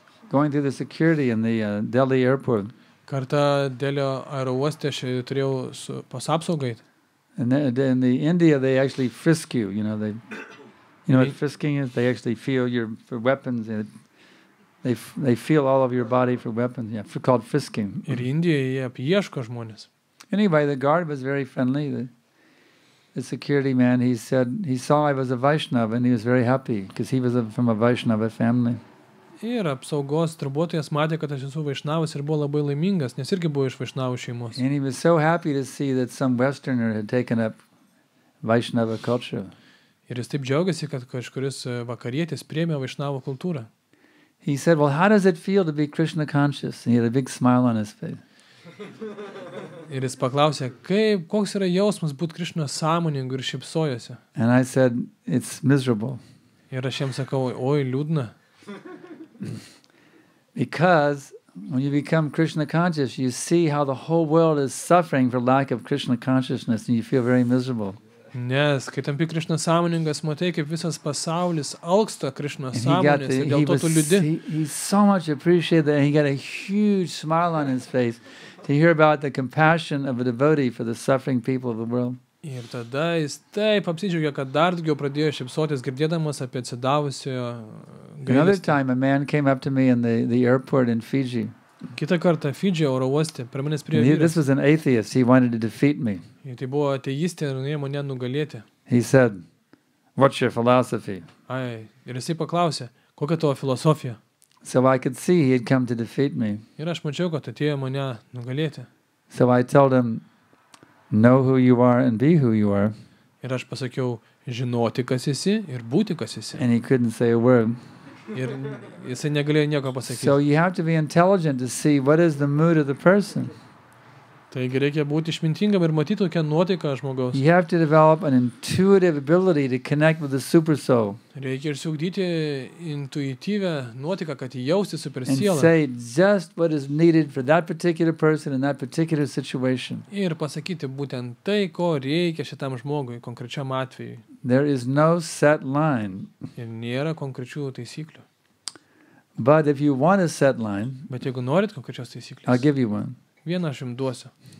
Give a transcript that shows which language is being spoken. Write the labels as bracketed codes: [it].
[en] Going through the security in the Delhi airport. [lt] Kartą Delio aerouoste aš turėjau pas apsaugą. [en] And in the India they actually frisk you, you know, you know what frisking is? They actually feel your for weapons. They feel all of your body for weapons. Yeah, called frisking. [lt] Ir Indijoje apieško žmonės. [en] Anyway, the guard was very friendly. The security man, he said he saw I was a Vaishnava and he was very happy because he was from a Vaishnava family. [lt] Ir apsaugos darbuotojas matė, kad aš esu Vaishnavas ir buvo labai laimingas, nes irgi buvo iš Vaishnavų šeimos. [en] And he was so happy to see that some Westerner had taken up Vaishnava culture. [lt] Ir jis taip džiaugiasi, kad kažkuris vakarietis priėmė Vaishnavų kultūrą. [en] He said, "Well, how does it feel to be Krishna conscious?" And he had a big smile on his face. [lt] Ir jis paklausė, koks yra jausmas būti Krishna sąmoningu ir šipsojosi. [en] And I said, "It's miserable." [lt] Ir aš jam sakau, oi, liūdna. [en] Because when you become Krishna conscious, you see how the whole world is suffering for lack of Krishna consciousness and you feel very miserable. [lt] Nes, kai tampi Krishna sąmoningas, matai, kaip visas pasaulis alksta Krishna sąmonės, dėl to tu liūdi. [en] He so much appreciated that he got a huge smile on his face to hear about the compassion of a devotee for the suffering people of the world. [lt] Ir tada jis taip apsidžiaugė, kad dar daugiau pradėjo šypsotis, girdėdamas apie atsidavusiojo gailestį. [en] Another time a man came up to me in the airport in Fiji. [lt] Kitą kartą Fidžio oro uoste, prie manęs priėjo vyras. [en] This was an atheist, he wanted to defeat me. [lt] Ir tai buvo ateistė, ir norėjo mane nugalėti. [en] He said, "What's your philosophy?" [lt] Ai, ir jisai paklausė, kokia tavo filosofija? [en] So I could see he had come to defeat me. [lt] Ir aš mačiau, kad atėjo mane nugalėti. [en] So I told him, "Know who you are and be who you are." [lt] Ir aš pasakiau, žinoti, kas esi ir būti, kas esi. [en] And he couldn't say a word. [lt] Ir jisai negalėjo nieko pasakyti. [en] So you have to be intelligent to see what is the mood of the person. [lt] Taigi reikia būti išmintingam ir matyti tokią nuotaiką žmogaus. [en] You have to develop an intuitive ability to connect with the super soul. [lt] Reikia išsiugdyti intuityvę nuotaiką, kad jausti super sielą. [en] And say just what is needed for that particular person in that particular situation. [lt] Ir pasakyti būtent tai, ko reikia šitam žmogui konkrečiam atvejui. [en] There is no set line. [lt] Ir nėra konkrečių taisyklių. [en] But if you want a set line, [lt] bet jeigu norit konkrečios taisyklės, [en] I'll give you one. [lt] Vieną aš jums duosiu.